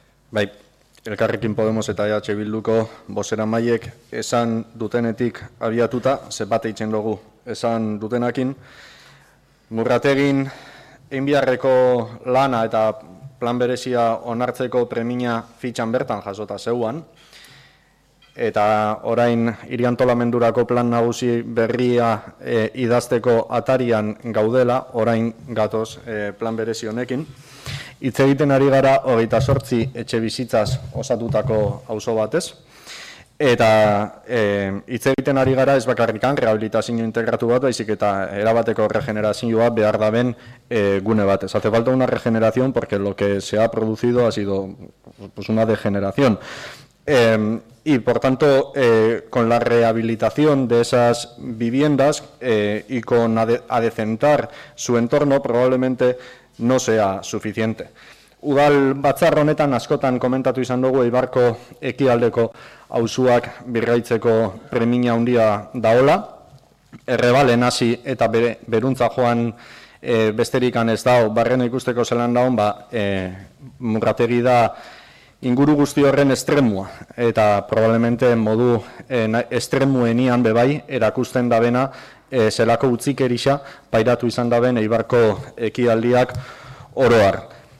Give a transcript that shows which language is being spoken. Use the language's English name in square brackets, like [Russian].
[Basque] Bai, Elkarrekin Podemos eta EH Bilduko bozera maiek esan dutenetik abiatuta, ze bat eitzen dugu esan dutenakin, Murrategin einbiarreko lana eta plan berezia onartzeko premina fitxan bertan jasota zeuan, eta orain iriantolamendurako plan nagusi berria idazteko atarian gaudela, orain gatoz plan berezi honekin. Hitz egiten ari gara 28 etxe bizitzaz osatutako auzo batez. Eta hitz egiten ari gara ez bakarrikan rehabilitazio integratu bat, baizik eta erabateko regenerazioa behar daben gune batez. [Spanish] Hace falta una regeneración porque lo que se ha producido ha sido pues una degeneración. Y por tanto, con la rehabilitación de esas viviendas y con adecentar su entorno, probablemente no sea suficiente. [Basque] Udal batzar honetan askotan komentatu izan dugu Eibarko ekialdeko auzoak birgaitzeko premia handia daola. Errebalen hasi eta beruntza joan besterikan ez dago, barrena ikusteko zelan dagoen, ba, Murrategi da inguru guzti horren estremua, eta probablemente modu estremuenian bebai erakusten dabena zelako utzikerixa pairatu izan daben Eibarko ekialdiak oroar.